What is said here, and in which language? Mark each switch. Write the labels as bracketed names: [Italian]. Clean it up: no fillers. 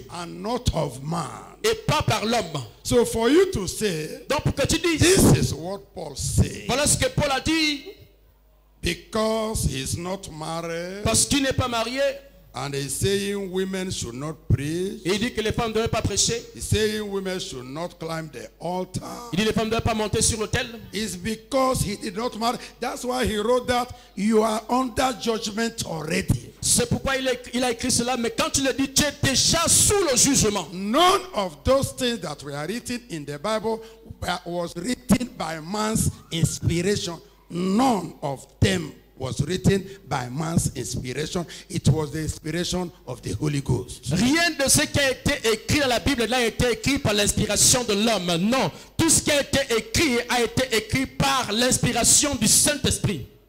[English] And not of man. [French] Et pas par l'homme. [English] So for you to say. [French] Donc pour que tu dises. [English] This is what Paul said. [French] Voilà ce que Paul a dit. [English] Because he's not married. [French] Parce qu'il n'est pas marié. [English] And he's saying women should not preach. [French] Et il dit que les femmes ne devraient pas prêcher. [English] He's saying women should not climb the altar. [French] Il dit les femmes ne devraient pas monter sur l'autel. [English] It's because he did not marry. That's why he wrote that you are under judgment already. [French] C'est pourquoi il a écrit cela. Mais quand il le dit, tu es déjà sous le jugement. [English] None of those things that were written in the Bible was written by man's inspiration. None of them was written by man's inspiration. It was the inspiration of the Holy Ghost. [French] Rien de ce qui a été écrit dans la Bible n'a été écrit par l'inspiration de l'homme. Non, tout ce qui a été écrit par l'inspiration du Saint-Esprit.